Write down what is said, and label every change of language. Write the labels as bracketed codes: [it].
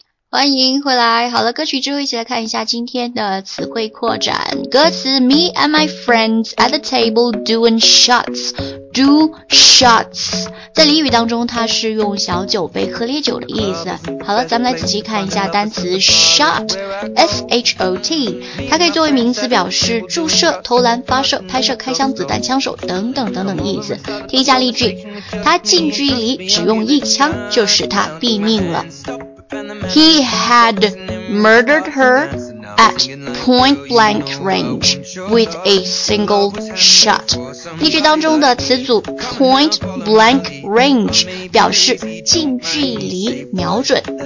[zh] 欢迎回来，好了，歌曲之后一起来看一下今天的词汇扩展。 [en] 歌词 Me and my friends at the table doing shots. [zh] Do shots 在俚语当中它是用小酒杯喝烈酒的意思。好了，咱们来仔细看一下单词 shot， S-H-O-T， 它可以作为名词表示注射、投篮、发射、拍摄、开箱子弹、枪手等等等等的意思。听一下例句，他近距离只用一枪就使他毙命了。 [en] He had murdered her at point blank range with a single shot. [zh] 例句当中的词组 point blank range 表示近距离瞄准。